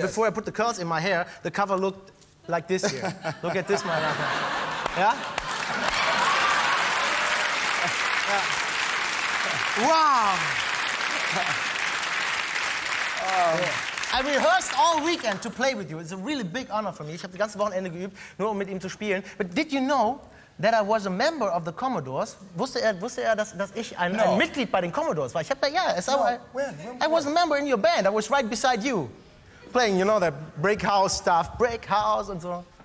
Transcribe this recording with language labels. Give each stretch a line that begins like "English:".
English: Before I put the curls in my hair, the cover looked like this here. Look at this,
German: meine Damen und Herren.
English: Ja? Wow! I rehearsed all weekend to play with you. It's a really big honor for me.
German: Ich habe das ganze Wochenende geübt, nur um mit ihm zu spielen.
English: But did you know that I was a member of the Commodores?
German: Wusste er, dass ich ein Mitglied bei den Commodores war? Ich habe ja, es war.
English: I was a member in your band. I was right beside you, playing. You know that break house stuff, break house and so.